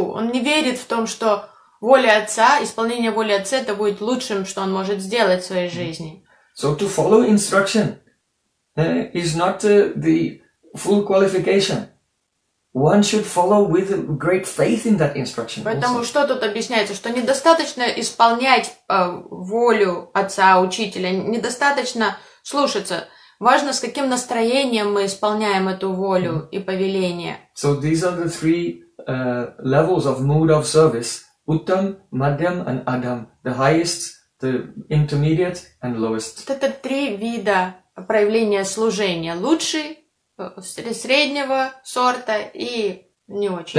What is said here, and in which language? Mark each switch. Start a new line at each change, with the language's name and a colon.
Russian: Он не верит в том, что воля отца, исполнение воли отца — это будет лучшим, что он может сделать в своей жизни.
English: So to follow instruction is not the full qualification. One should follow with great faith in that instruction.
Russian: Поэтому что тут объясняется, что недостаточно исполнять волю отца, учителя, недостаточно слушаться. Важно, с каким настроением мы исполняем эту волю и повеление.
English: So these are the three levels of mood of service: uttam, madhyam, and adham. The highest, the intermediate, and lowest.
Russian: Это три вида проявления служения: лучший, среднего сорта и не очень